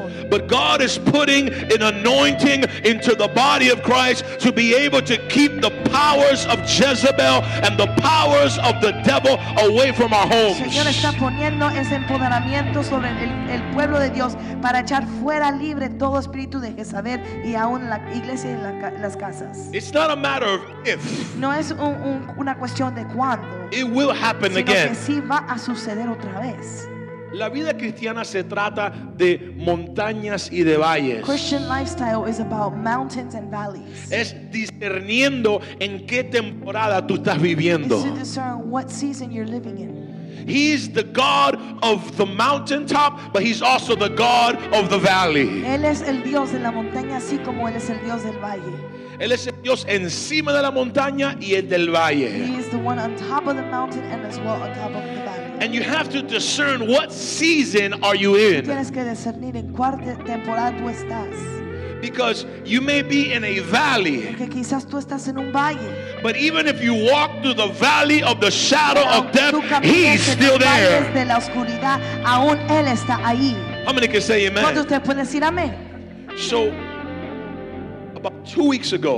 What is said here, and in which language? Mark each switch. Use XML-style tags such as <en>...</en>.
<en>But God is putting an anointing into the body of Christ to be able to keep the powers of Jezebel and the powers of the devil away from our homes.</en> <es>Señor está poniendo ese empoderamiento sobre el pueblo de Dios para echar fuera libre todo espíritu de Jezabel y aún la iglesia en las casas.</es> <en>It's not a matter of if.</en> <es>No es una cuestión de cuándo.</es> <en>It will happen again.</en> <es>Sino que sí va a suceder otra vez. La vida cristiana se trata de montañas y de valles.</es> <en>Christian lifestyle is about mountains and valleys.</en> <es>Es discerniendo en qué temporada tú estás viviendo.</es> <en>It's to discern what season you're living in. He's the God of the mountaintop, but he's also the God of the valley.</en> <es>Él es el Dios de la montaña, así como él es el Dios del valle. Él es el Dios encima de la montaña y el del valle.</es> <en>He is the one on top of the mountain and as well on top of the valley. And you have to discern what season are you in.</en> <es>Tienes que discernir en cuál temporada tú estás.</es> <en>Because you may be in a valley.</en> <es>Porque quizás tú estás en un valle.</es> <en>But even if you walk through the valley of the shadow of death, he's still there.</en> <es>De la oscuridad, aún él está ahí.</es> <en>How many can say amen?</en> <es>¿Cuántos ustedes pueden decir amén?</es> <en>So, about 2 weeks ago,</en>